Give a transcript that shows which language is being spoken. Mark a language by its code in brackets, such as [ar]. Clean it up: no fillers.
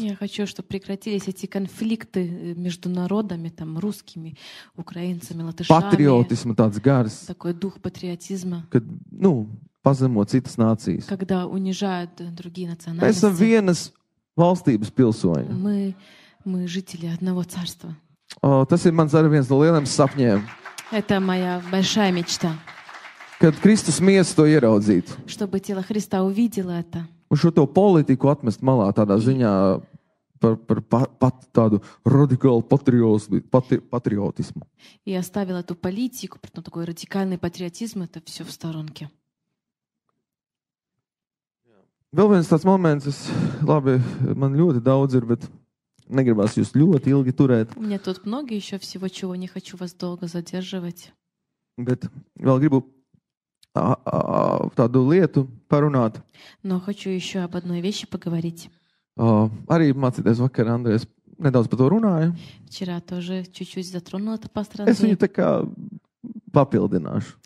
[ru] Я хочу, чтобы прекратились эти конфликты между народами, там, русскими, украинцами, латышами. [lv] Patriotism, tāds gars. [ru] Такой дух патриотизма. [lv] Kad, nu, pazemo citas nācijas. [ru] Когда унижают другие национальности. [lv] Mēs esam vienas valstības pilsoņi. [ru] Мы жители одного царства. [lv] О, tas ir mans arī viens no lieliem sapņiem. [ru] Это моя большая мечта. [lv] Kad Kristus miesu to ieraudzītu. [ru] Чтобы тело Христа увидело это. [lv] Un šo to politiku atmest malā tādā ziņā par tādu radikālu patriotismu. [ru] И оставил эту политику, потому что такой радикальный патриотизм, это все в сторонке. [lv] Vēl viens tāds moments, es, labi, man ļoti daudz ir, bet negribas jūs ļoti ilgi turēt. [ru] У меня тут много еще всего, чего не хочу вас долго задерживать. [lv] Bet vēl gribu tādu lietu parunāt. [ru] Но хочу еще об одной вещи поговорить. [lv] Arī mācīties vakar, Andrej, es nedaudz par to runāju. [ru] Вчера тоже чуть-чуть затронул это пастор [lv] Андрей. Es viņu tā kā papildināšu.